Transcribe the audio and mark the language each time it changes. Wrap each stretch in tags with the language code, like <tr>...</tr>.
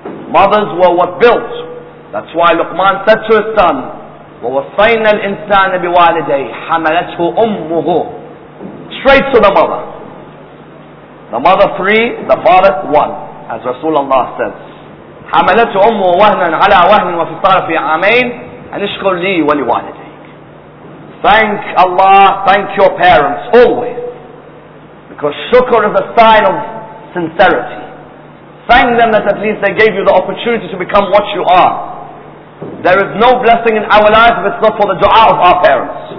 <en>Mothers were what built. That's why Luqman said to his son,</en> <ar>وَوَصَيْنَا الْإِنسَانَ بِوَالِدَيْهِ حَمَلَتْهُ أُمُّهُ.</ar> <en>Straight to the mother. The mother 3, the father 1, as Rasulullah says.</en> <ar>حملت أمه وهنا على وهن وفصال في عامين أن اشكر لي ولوالديك.</ar> <en>Thank Allah, thank your parents always. Because shukr is a sign of sincerity. thank them that at least they gave you the opportunity to become what you are. There is no blessing in our life if it's not for the dua of our parents.</en>